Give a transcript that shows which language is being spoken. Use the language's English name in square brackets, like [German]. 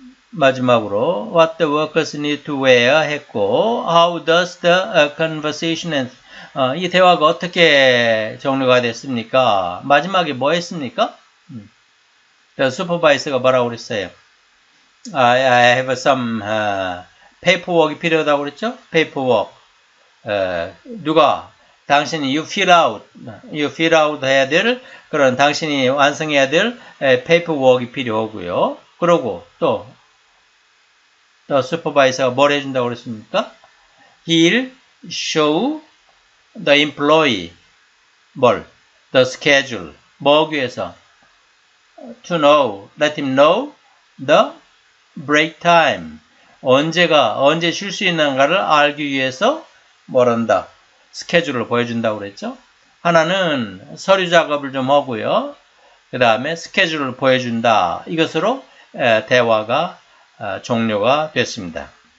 [Korean] 마지막으로 [English] what the workers need to wear [Korean] 했고 [English] how does the conversation end? [Korean] 이 대화가 어떻게 종료가 됐습니까? 마지막에 뭐 했습니까? 슈퍼바이서가 뭐라고 그랬어요? [English] I have some paperwork이 [Korean] 필요하다고 그랬죠? [English] Paperwork. [Korean] 누가? 당신이 [English] you fill out [Korean] 해야 될 그런 당신이 완성해야 될 paperwork이 필요하고요. 그러고 또더 슈퍼바이서가 뭘 해준다고 그랬습니까? [English] He'll show the employee 뭘? The schedule. [Korean] 뭐 하기 위해서? [English] To know, let him know the break time. [Korean] 언제 쉴수 있는가를 알기 위해서 뭘 한다? 스케줄을 보여준다고 그랬죠? 하나는 서류 작업을 좀 하고요. 그 다음에 스케줄을 보여준다. 이것으로 대화가 종료가 됐습니다.